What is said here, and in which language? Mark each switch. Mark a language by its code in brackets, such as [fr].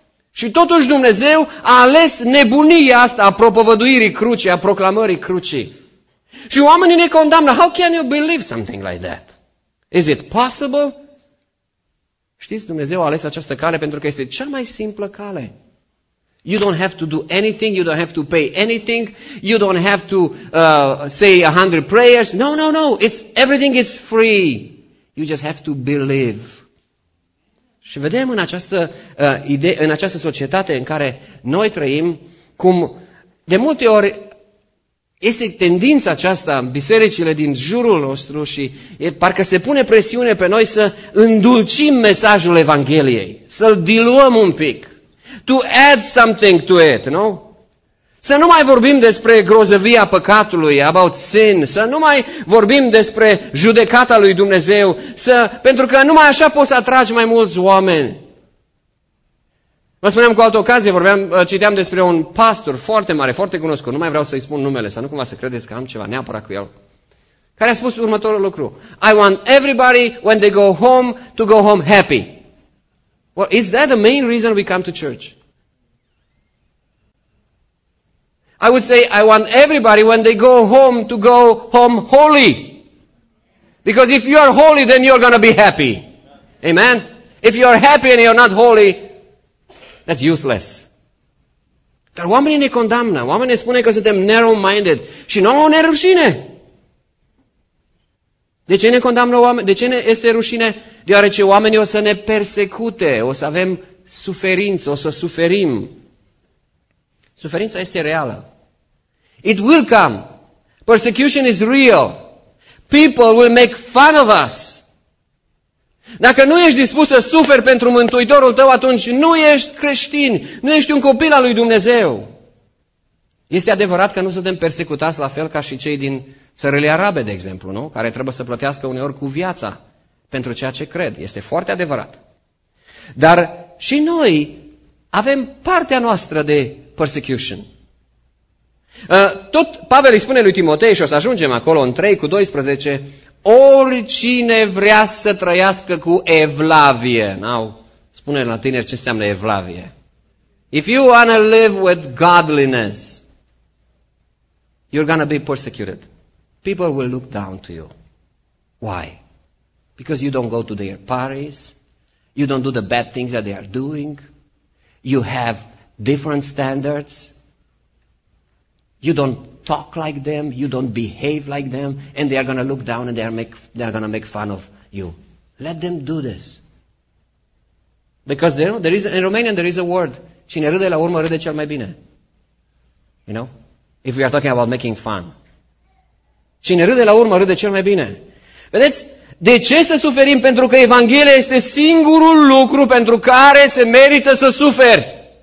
[ro] Și totuși Dumnezeu a ales nebunia asta a propovăduirii crucii, a proclamării crucii. Și oamenii ne condamnă. [en] How can you believe something like that? Is it possible? [ro] Știți, Dumnezeu a ales această cale pentru că este cea mai simplă cale. [en] You don't have to do anything, you don't have to pay anything, you don't have to say 100 prayers. No, no, no, it's, everything is free. You just have to believe. [ro] Și vedem în această idee, în această societate în care noi trăim, cum de multe ori este tendința aceasta în bisericile din jurul nostru și parcă se pune presiune pe noi să îndulcim mesajul Evangheliei, să-l diluăm un pic. [en] To add something to it, no? [ro] Să nu mai vorbim despre grozăvia păcatului, [en] about sin, [ro] să nu mai vorbim despre judecata lui Dumnezeu, pentru că numai așa poți atrage mai mulți oameni. Vă spuneam cu altă ocazie, citeam despre un pastor foarte mare, foarte cunoscut, nu mai vreau să-i spun numele, să nu cumva să credeți că am ceva neapărat cu el, care a spus următorul lucru. [en] I want everybody, when they go home, to go home happy. Well, is that the main reason we come to church? I would say, I want everybody, when they go home, to go home holy. Because if you are holy, then you're going to be happy. Amen? If you are happy and you're not holy, that's useless. [ro] Dar oamenii ne condamnă, oamenii ne spune că suntem narrow-minded și nu au nerușine. De ce ne condamnă oamenii? De ce ne este rușine? Deoarece oamenii o să ne persecute, o să avem suferință, o să suferim. Suferința este reală. [en] It will come. Persecution is real. People will make fun of us. [ro] Dacă nu ești dispus să suferi pentru Mântuitorul tău, atunci nu ești creștin, nu ești un copil al lui Dumnezeu. Este adevărat că nu suntem persecutați la fel ca și cei din țările arabe, de exemplu, nu? Care trebuie să plătească uneori cu viața pentru ceea ce cred. Este foarte adevărat. Dar și noi avem partea noastră de persecution. Tot Pavel îi spune lui Timotei, și o să ajungem acolo în 3:12, oricine vrea să trăiască cu evlavie. Now, spune la tineri ce înseamnă evlavie. [en] If you want to live with godliness, you're going to be persecuted. People will look down to you. Why? Because you don't go to their parties. You don't do the bad things that they are doing. You have different standards. You don't talk like them, you don't behave like them, and they are going to look down and they are going to make fun of you. Let them do this. Because you know, there is in Romanian there is a word. [ro] Cine râde la urmă râde cel mai bine. [en] You know? If we are talking about making fun. [ro] Cine râde la urmă râde cel mai bine. Vedeți? De ce să suferim? Pentru că Evanghelia este singurul lucru pentru care se merită să suferi.